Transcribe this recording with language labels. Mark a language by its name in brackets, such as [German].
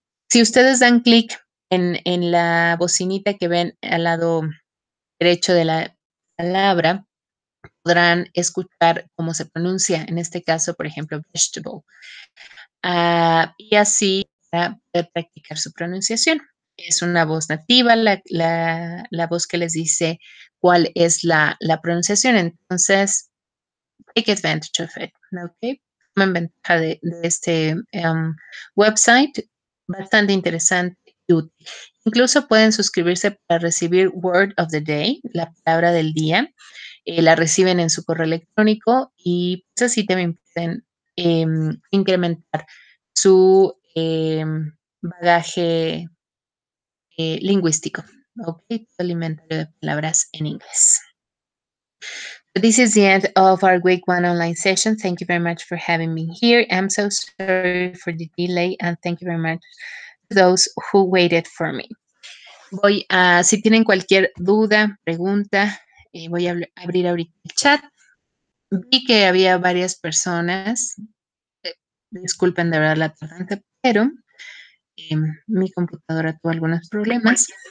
[Spanish] Si ustedes dan clic en la bocinita que ven al lado derecho de la palabra, podrán escuchar cómo se pronuncia, en este caso, por ejemplo, vegetable. Y así para poder practicar su pronunciación. Es una voz nativa, la voz que les dice cuál es la pronunciación. Entonces, [English] take advantage of it. [Spanish] Okay. Tomen ventaja de este website, bastante interesante y útil. Incluso pueden suscribirse para recibir [English] Word of the Day, [Spanish] la palabra del día. La reciben en su correo electrónico y pues, así también pueden incrementar su bagaje lingüístico, okay, su inventario de palabras en inglés. [English] So this is the end of our week one online session. Thank you very much for having me here. I'm so sorry for the delay and thank you very much to those who waited for me. [Spanish] Voy a, si tienen cualquier duda, pregunta, voy a abrir ahorita el chat. Vi que había varias personas. Disculpen de verdad la tardanza, pero mi computadora tuvo algunos problemas.